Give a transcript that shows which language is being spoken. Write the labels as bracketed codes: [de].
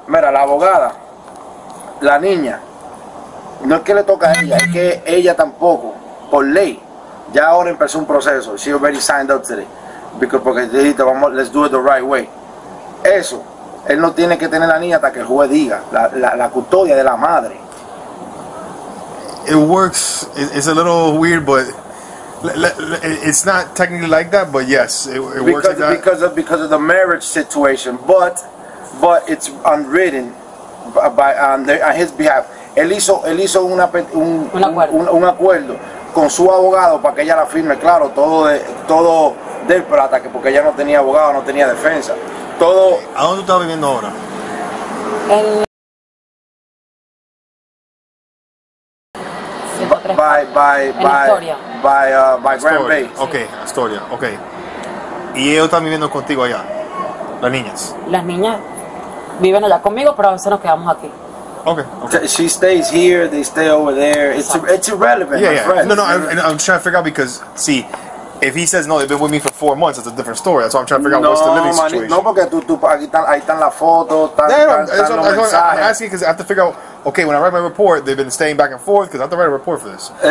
[es] Mira, la abogada, la niña, no es que le toque a ella, es que ella tampoco, por ley, ya ahora empezó un proceso. [en] She already signed up today. [es] Porque dijiste, vamos, [en] let's do it the right way. [es] Eso, él no tiene que tener la niña hasta que el juez diga, la custodia de la madre. [en] It works, it's a little weird, but it's not technically like that, but yes, it works like that. Because of the marriage situation, but it's unwritten on his behalf. [es] Él hizo un acuerdo con su abogado para que ella la firme, claro, todo del plata, que porque ella no tenía abogado, no tenía defensa. Todo. ¿A dónde tú estás viviendo ahora? [en] By Grand Bay. Okay, Astoria. Okay. [es] ¿Y ellos están viviendo contigo allá? Las niñas. Las niñas viven allá conmigo, pero a veces nos quedamos aquí. [en] Okay. She stays here, they stay over there. It's irrelevant. No, I'm trying to figure out because, see, if he says no, they've been with me for 4 months, it's a different story. That's why I'm trying to figure out what's the living situation. [es] No, porque tú, aquí están, ahí están las fotos. [en] I'm asking because I have to figure out, okay, when I write my report, they've been staying back and forth because I have to write a report for this.